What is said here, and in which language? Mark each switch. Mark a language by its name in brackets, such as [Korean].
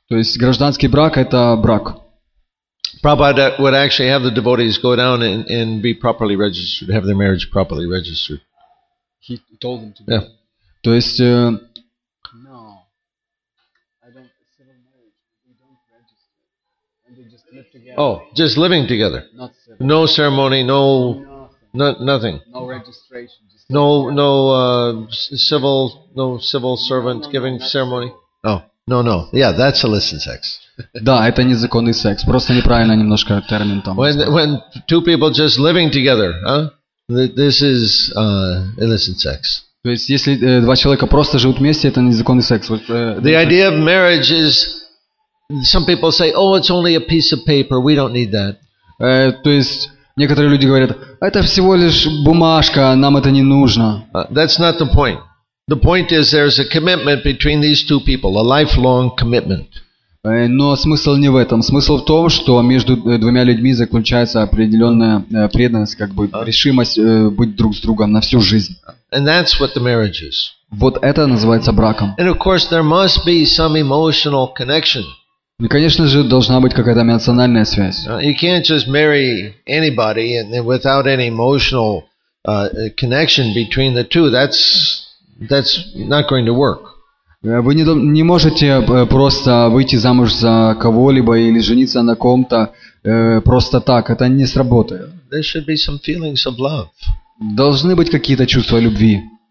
[Russian] То есть гражданский брак – это брак. [English] Prabhupada would actually have the devotees go down and be properly registered, have their marriage properly registered. He told them to be. Yeah. [Russian] То есть [English] No. I don't civil marriage. We don't register. And they just live together. Oh, just living together. Not civil. No ceremony, no nothing. No registration, just no civil servant giving ceremony. Oh. No. Yeah, that's illicit sex. [Russian] Да, это незаконный секс. Просто неправильно немножко термин там. [English] When two people just living together, huh? This is illicit sex. [Russian] То есть, если два человека просто живут вместе, это незаконный секс. [English] The idea of marriage is, some people say, oh, it's only a piece of paper. We don't need that. [Russian] То есть, некоторые люди говорят, это всего лишь бумажка, нам это не нужно. [English] That's not the point. The point is, there's a commitment between these two people, a lifelong commitment. [Russian] Но смысл не в этом. Смысл в том, что между двумя людьми заключается определенная преданность, как бы решимость быть друг с другом на всю жизнь. [English] And that's what the marriage is. [Russian] Вот это называется браком. [English] And of course, there must be some emotional connection. [Russian] И, конечно же, должна быть какая-то эмоциональная связь. [English] You can't just marry anybody without any emotional connection between the two. That's not going to work. [Russian] Вы не можете просто выйти замуж за кого-либо или жениться на ком-то просто так. Это не сработает. [English] There should be some feelings of love. [Russian] Должны быть какие-то чувства любви.